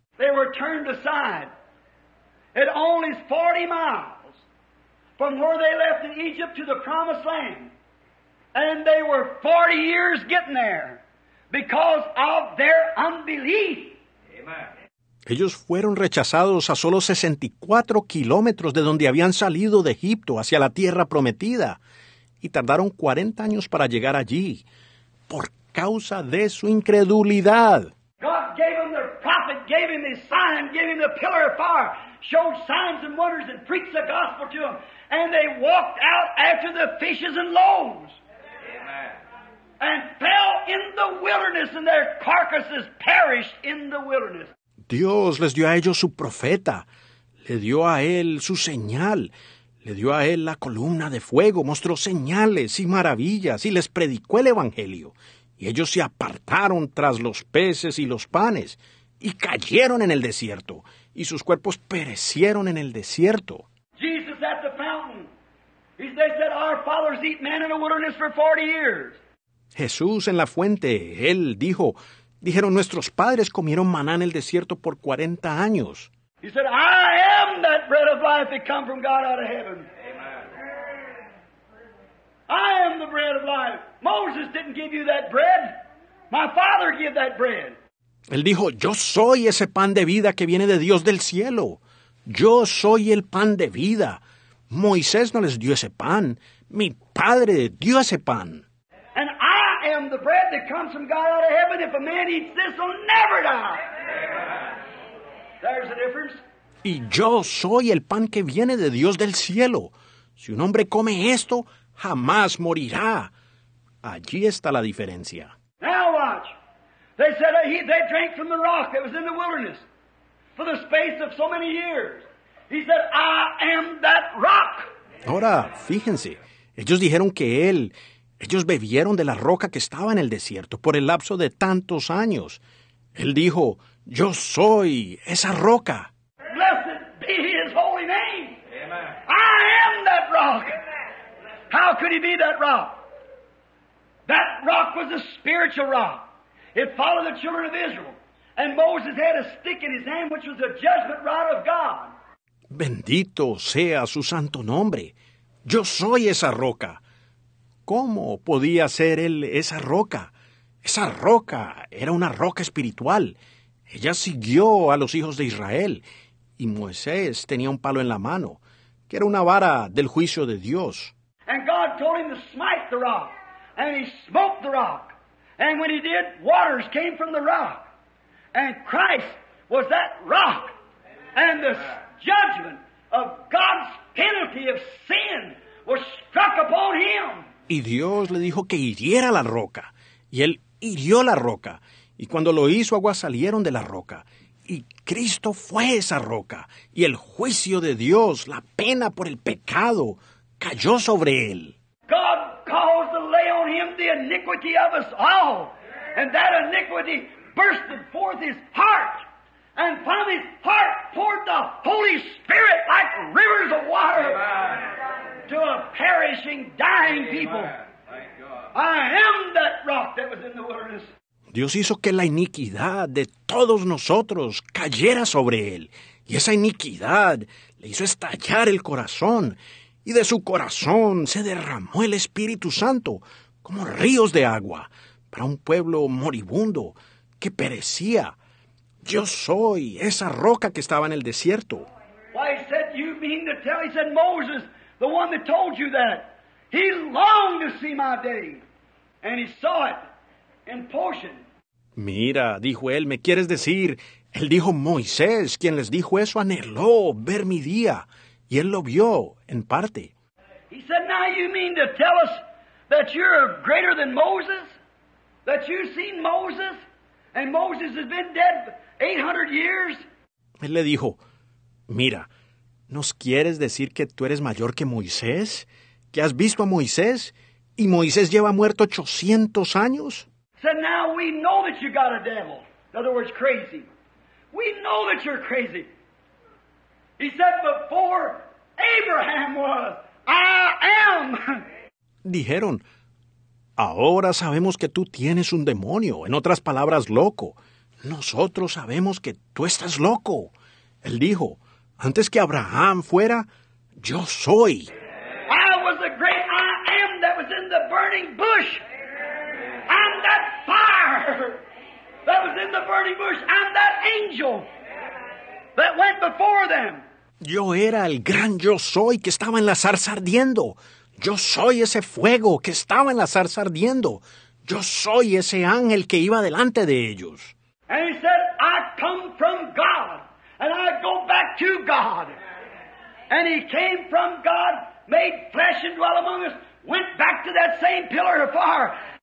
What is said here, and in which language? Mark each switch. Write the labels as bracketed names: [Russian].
[English] They were turned aside at only 40 miles from where they left in Egypt to the promised land. And they were 40 years getting there. because of their unbelief. [Spanish] Ellos fueron rechazados a solo 64 kilómetros de donde habían salido de Egipto hacia la tierra prometida y tardaron 40 años para llegar allí por causa de su incredulidad. [English] God gave them their prophet, gave him his sign, gave him the pillar of fire, showed signs and wonders and preached the gospel to them, and they walked out after the fishes and loaves. And fell in the wilderness, and their carcasses perished in the wilderness. [Spanish] Dios les dio a ellos su profeta, le dio a él su señal, le dio a él la columna de fuego, mostró señales y maravillas, y les predicó el evangelio. Y ellos se apartaron tras los peces y los panes, y cayeron en el desierto, y sus cuerpos perecieron en el desierto. [English] Jesus at the fountain. They said, our fathers eat man in the wilderness for 40 years. [Spanish] Jesús en la fuente, Él dijo, dijeron, nuestros padres comieron maná en el desierto por 40 años. [English] He said, I am that bread of life that come from God out of heaven. Amen. I am the bread of life. Moses didn't give you that bread. My father gave that bread. [Spanish] Él dijo, yo soy ese pan de vida que viene de Dios del cielo. Yo soy el pan de vida. Moisés no les dio ese pan. Mi padre dio ese pan. [English] I am the bread that comes from God out of heaven. If a man eats this, he'll never die. There's the difference. [Spanish] Y yo soy el pan que viene de Dios del cielo. Si un hombre come esto, jamás morirá. Allí está la diferencia. [English] Now watch. They said they drank from the rock that was in the wilderness for the space of so many years. He said, I am that rock. [Spanish] Ahora, fíjense. Ellos dijeron que él... Ellos bebieron de la roca que estaba en el desierto por el lapso de tantos años. Él dijo, yo soy esa roca. [English] Blessed be his holy name. Amen. I am that rock. How could he be that rock? That rock was a spiritual rock. It followed the children of Israel. And Moses had a stick in his hand, which was a judgment rod of God. [Spanish] Bendito sea su santo nombre. Yo soy esa roca. ¿Cómo podía ser él esa roca? Esa roca era una roca espiritual. Ella siguió a los hijos de Israel. Y Moisés tenía un palo en la mano, que era una vara del juicio de Dios. [English] And God told him to smite the rock. And he smote the rock. And when he did, waters came from the rock. And Christ was that rock. And the judgment of God's penalty of sin was struck upon him. [Spanish] Y Dios le dijo que hiriera la roca, y él hirió la roca, y cuando lo hizo, aguas salieron de la roca, y Cristo fue esa roca, y el juicio de Dios, la pena por el pecado, cayó sobre él. [English] God caused to lay on him the iniquity of us all, and that iniquity bursted forth his heart, and from his heart poured the Holy Spirit like rivers of water. Amen. To a perishing, dying people. Amen. Thank God. I am that rock that was in the wilderness. [Spanish] Dios hizo que la iniquidad de todos nosotros cayera sobre él. Y esa iniquidad le hizo estallar el corazón. Y de su corazón se derramó el Espíritu Santo como ríos de agua para un pueblo moribundo que perecía. Yo soy esa roca que estaba en el desierto. [English] Why, said, you mean to tell, he said, Moses... The one that told you that, he longed to see my day, and he saw it in portion. [Spanish] Mira, dijo él, ¿me quieres decir? Él dijo, Moisés, quien les dijo eso, anheló ver mi día, y él lo vio en parte. [English] He said, now you mean to tell us that you're greater than Moses? That you've seen Moses, and Moses has been dead 800 years? [Spanish] Él le dijo, mira, ¿nos quieres decir que tú eres mayor que Moisés? ¿Que has visto a Moisés? ¿Y Moisés lleva muerto 800 años? [English] Said, now we know that you got a devil. In other words, crazy. We know that you're crazy. He said, before Abraham was, I am. [Spanish] Dijeron, ahora sabemos que tú tienes un demonio. En otras palabras, loco. Nosotros sabemos que tú estás loco. Él dijo, antes que Abraham fuera, yo soy. [English] I was the great I am that was in the burning bush. I'm that fire. that was in the burning bush. I'm that angel that went before them. [Spanish] Yo era el gran yo soy que estaba en la zarza ardiendo. Yo soy ese fuego que estaba en la zarza ardiendo. Yo soy ese ángel que iba delante de ellos. [English] And he said, I come from God, and I go back to God. And he came from God, made flesh and dwell among us, went back to that same pillar of fire.